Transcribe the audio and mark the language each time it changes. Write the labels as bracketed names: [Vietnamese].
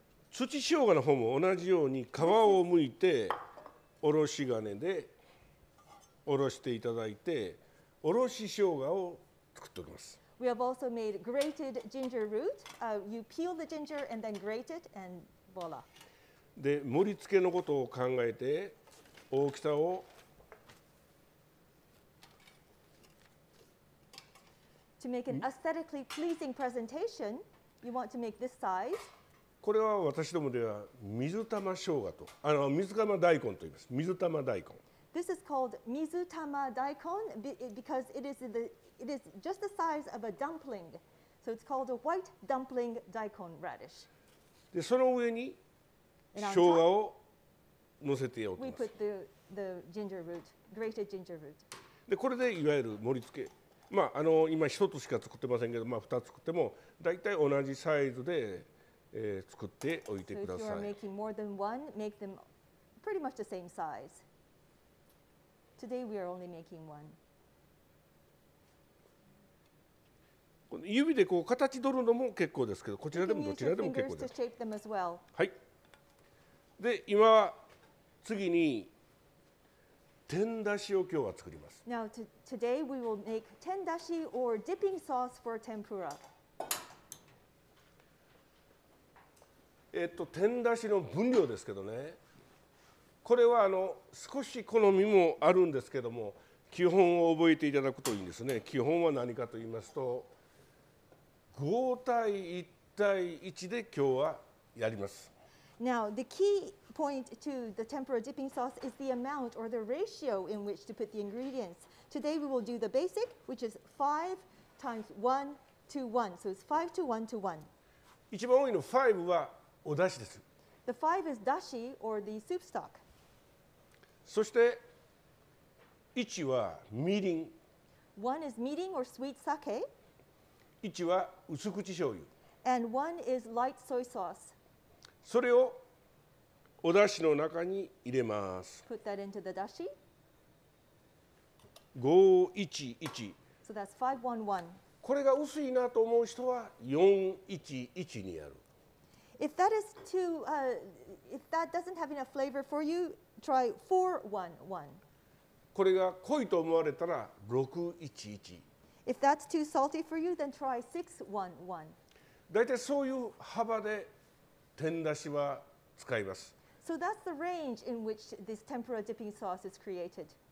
[Japanese] 土生姜の方も同じように皮をむいておろし金でおろしていただいて、おろし生姜を作っておきます。 [English] We have also made grated ginger root. You peel the ginger and then grate it, and voila. [Japanese] で、盛り付けのことを考えて、大きさを [English] To make an aesthetically pleasing presentation, you want to make this size. [Japanese] これは私どもでは水玉生姜と、あの水玉大根と言います。水玉大根。 [English] This is called 水玉大根 because it is the It is just the size of a dumpling, so it's called a white dumpling daikon radish. [Japanese] で、その上に生姜を乗せておきます。 [English] We put the ginger root, grated ginger root. [Japanese] で、これでいわゆる盛り付け、まああの今一つしか作ってませんけど、まあ二つ作ってもだいたい同じサイズで、作っておいてください。 [English] So if you are making more than one, make them pretty much the same size. Today we are only making one. [Japanese] 指でこう形取るのも結構ですけど、こちらでもどちらでも結構です。はい。で、今は次に天だしを今日は作ります。 [English] Now, today we will make 天だし or dipping sauce for tempura. [Japanese] 天だしの分量ですけどね、これはあの少し好みもあるんですけども、基本を覚えていただくといいんですね。基本は何かと言いますと、5対1対1で今日はやります。 [English] Now, the key point to the tempura dipping sauce is the amount or the ratio in which to put the ingredients. Today we will do the basic, which is 5 times 1 to 1. So it's 5 to 1 to 1. [Japanese] 一番多いの5はおだしです。 [English] The 5 is dashi or the soup stock. [Japanese] そして1はみりん。 [English] 1 is みりん or sweet sake. [Japanese] 1は薄口醤油。 [English] And one is light soy sauce. [Japanese] それをおだしの中に入れます。 [English] Put that into the dashi. [Japanese] 511。 [English] So that's 511. [Japanese] これが薄いなと思う人は411にやる。 [English] If that is too, if that doesn't have enough flavor for you, try 411. [Japanese] これが濃いと思われたら611。 [English] If that's too salty for you, then try 611. [Japanese] だいたいそういう幅で天だしは使います。 [English] So that's the range in which this tempura dipping sauce is created.